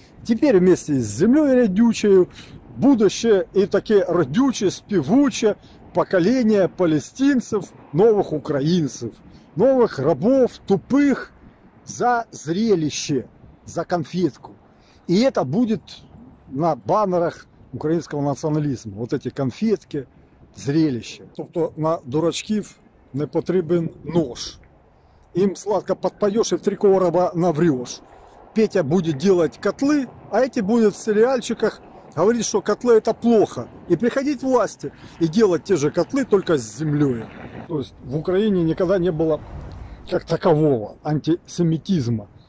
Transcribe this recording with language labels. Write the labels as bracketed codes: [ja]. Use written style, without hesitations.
[ru] Теперь вместе с землей родючей, будущее и такие родючие, спевучие поколения палестинцев, новых украинцев, новых рабов, тупых за зрелище. За конфетку. И это будет на баннерах украинского национализма. Вот эти конфетки, зрелище. [uk] Тобто на дурачків не потрібен нож. [ru] Им сладко подпоешь и в три короба наврешь. Петя будет делать котлы, а эти будут в сериальчиках говорить, что котлы это плохо. И приходить власти и делать те же котлы, только с землей. То есть в Украине никогда не было как такового антисемитизма.